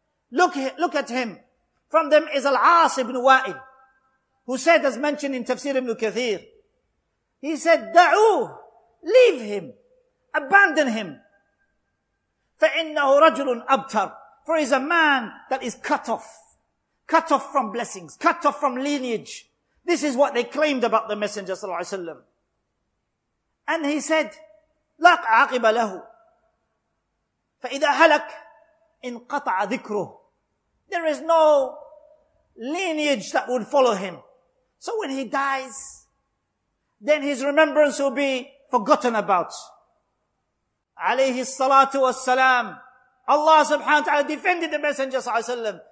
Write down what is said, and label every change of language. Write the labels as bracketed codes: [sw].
[en] Look at him. From them is Al-As ibn Wa'il, who said, as mentioned in Tafsir ibn Kathir, he said, da'u, leave him, abandon him. [ar] فَإِنَّهُ رَجُلٌ أَبْتَرٌ. [en] For he's a man that is cut off from blessings, cut off from lineage. This is what they claimed about the messenger sallallahu alayhi wa sallam. And he said, [ar] لاق عاقب له فإذا هلك انقطع ذكره. [en] There is no lineage that would follow him. So when he dies, then his remembrance will be forgotten about. [ar] عليه الصلاة والسلام. [en] Allah subhanahu wa ta'ala defended the Messenger sallallahu alayhi wa sallam.